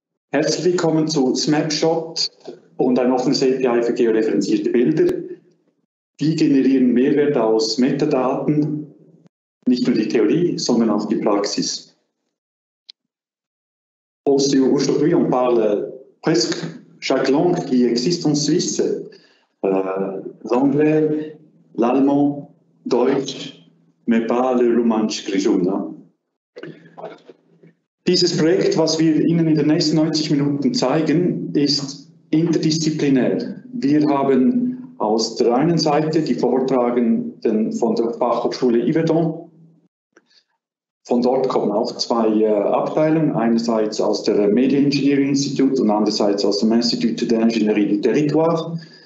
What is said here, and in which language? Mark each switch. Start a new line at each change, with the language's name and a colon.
German: Herzlich willkommen zu Snapshot und einem offenes API für georeferenzierte Bilder. Die generieren Mehrwert aus Metadaten, nicht nur die Theorie, sondern auch die Praxis.
French: Aujourd'hui, on parle presque chaque langue qui existe en Suisse. L'anglais, l'allemand, deutsch, mais pas le romanche grisoun.
German: Dieses Projekt, was wir Ihnen in den nächsten 90 Minuten zeigen, ist interdisziplinär. Wir haben aus der einen Seite die Vortragenden von der Fachhochschule Yverdon. Von dort kommen auch zwei Abteilungen, einerseits aus der Media Engineering Institute und andererseits aus dem Institut der Ingenierie du Territoire.